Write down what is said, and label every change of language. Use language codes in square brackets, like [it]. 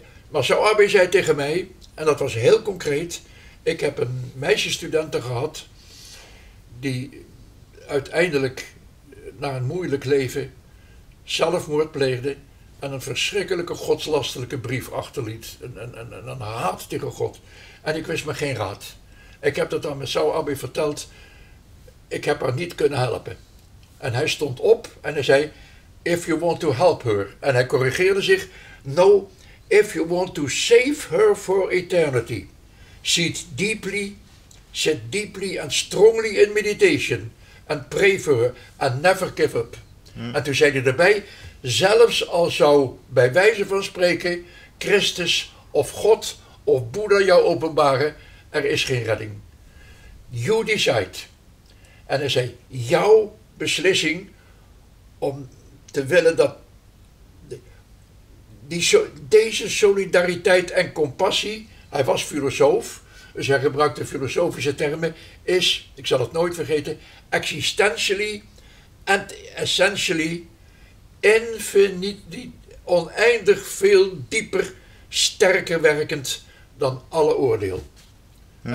[nl] Masao Abe zei tegen mij, en dat was heel concreet, ik heb een meisjesstudenten gehad die uiteindelijk na een moeilijk leven zelfmoord pleegde en een verschrikkelijke godslasterlijke brief achterliet. Een haat tegen God. En ik wist me geen raad. Ik heb dat aan Masao Abe verteld. Ik heb haar niet kunnen helpen. En hij stond op en hij zei, [en] if you want to help her. [nl] En hij corrigeerde zich, [en] no, if you want to save her for eternity, sit deeply and strongly in meditation and pray for her and never give up. Hmm. [nl] En toen zei hij erbij, zelfs al zou bij wijze van spreken Christus of God of Boeddha jou openbaren, er is geen redding. [en] You decide. [nl] En hij zei, jouw beslissing om te willen dat deze solidariteit en compassie, hij was filosoof, dus hij gebruikte filosofische termen, is, ik zal het nooit vergeten, [en] existentially and essentially infinitely, [nl] oneindig veel dieper, sterker werkend dan alle oordeel. Hmm.